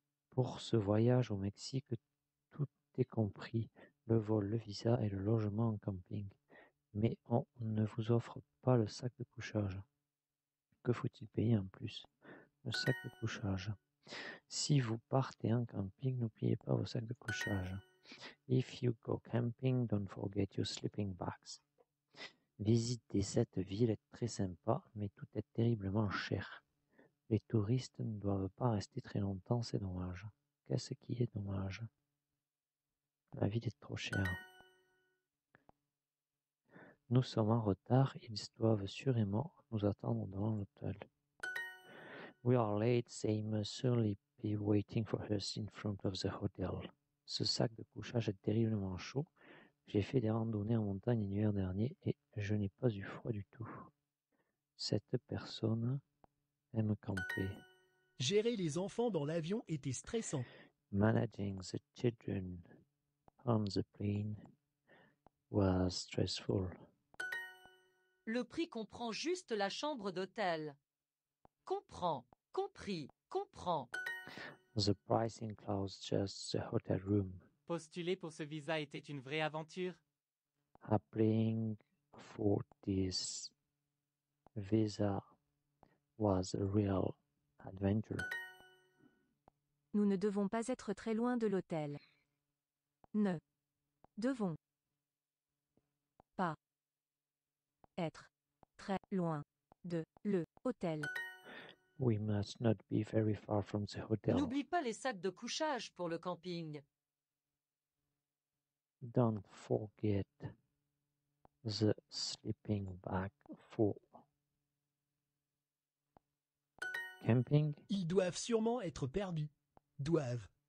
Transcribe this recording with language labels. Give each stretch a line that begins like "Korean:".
French: Pour ce voyage au Mexique, tout est compris. Le vol, le visa et le logement en camping. Mais on ne vous offre pas le sac de couchage. Que faut-il payer en plus? Le sac de couchage. Si vous partez en camping, n'oubliez pas vos sacs de couchage.
English: If you go camping, don't forget your sleeping bags.
French: Visiter cette ville est très sympa, mais tout est terriblement cher. Les touristes ne doivent pas rester très longtemps, c'est dommage. Qu'est-ce qui est dommage? La ville est trop chère. Nous sommes en retard, ils doivent sûrement nous attendre dans l'hôtel.
English: We are late, they must surely be waiting for us in front of the hotel.
French: Ce sac de couchage est terriblement chaud. J'ai fait des randonnées en montagne l'hiver dernier et je n'ai pas eu froid du tout. Cette personne aime camper. Gérer les enfants dans l'avion était stressant.
English: Managing the children on the plane was stressful.
French: Le prix comprend juste la chambre d'hôtel. Comprend, compris, comprend.
English: The price includes just the hotel room.
French: Postuler pour ce visa était une vraie aventure.
English: Applying for this visa was a real adventure.
French: Nous ne devons pas être très loin de l'hôtel. Ne devons pas être très loin de le hôtel.
English: We must not be very far from the hotel.
French: N'oublie pas les sacs de couchage pour le camping.
English: Don't forget the sleeping bag for camping.
French: Ils doivent sûrement être perdus. Doivent.